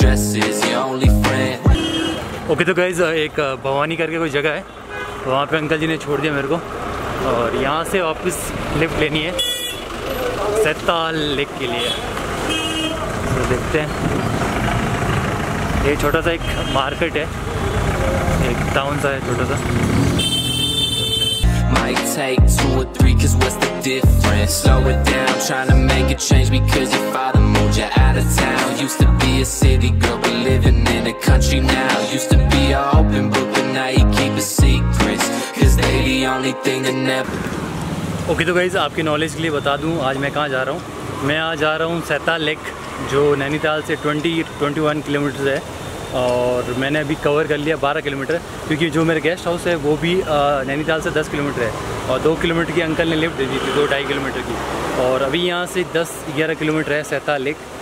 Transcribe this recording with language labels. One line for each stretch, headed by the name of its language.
Hindi: Okay तो guys, एक भवानी करके कोई जगह है, वहाँ पे अंकल जी ने छोड़ दिया मेरे को, और यहाँ से वापस लिफ्ट लेनी है सैताल लेक के लिए। तो देखते हैं, ये छोटा सा एक मार्केट है, एक टाउन सा है छोटा सा।
English: Might take two or three, 'cause what's the difference? Slow it down, trying to make a change, because your father moved you out of town. Used to be a city girl, but living in a country now. Used to be an open book, but now you keep a secret, 'cause they the only thing that never... Okay, so guys,
Hindi: आपके knowledge के लिए बता दूं, आज मैं कहाँ जा रहा हूँ। मैं आज जा रहा हूँ सैताल लेक, जो नैनीताल से 20-21 किलोमीटर है, और मैंने अभी कवर कर लिया 12 किलोमीटर, क्योंकि जो मेरे गेस्ट हाउस है वो भी नैनीताल से 10 किलोमीटर है, और 2 किलोमीटर की अंकल ने लिफ्ट दे दी थी, 2.5 किलोमीटर की, और अभी यहाँ से 10-11 किलोमीटर है सैताल लेक।